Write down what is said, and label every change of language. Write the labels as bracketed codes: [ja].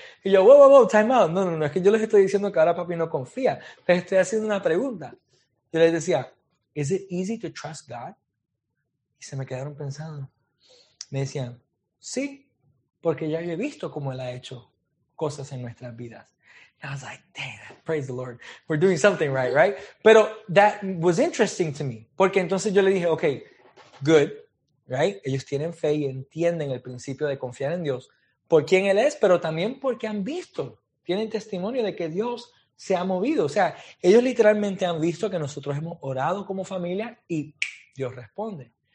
[es] Y yo, [en] whoa, time out. [es] No, es que yo les estoy diciendo que ahora papi no confía. Les estoy haciendo una pregunta. Yo les decía, [en] is it easy to trust God? [es] Y se me quedaron pensando. Me decían, sí, porque ya yo he visto cómo Él ha hecho cosas en nuestras vidas. [en] And I was like, damn, praise the Lord. We're doing something right, right? Pero that was interesting to me. [es] Porque entonces yo le dije, [en] okay, good, right? [es] Ellos tienen fe y entienden el principio de confiar en Dios por quién Él es, pero también porque han visto, tienen testimonio de que Dios se ha movido. O sea, ellos literalmente han visto que nosotros hemos orado como familia y Dios responde.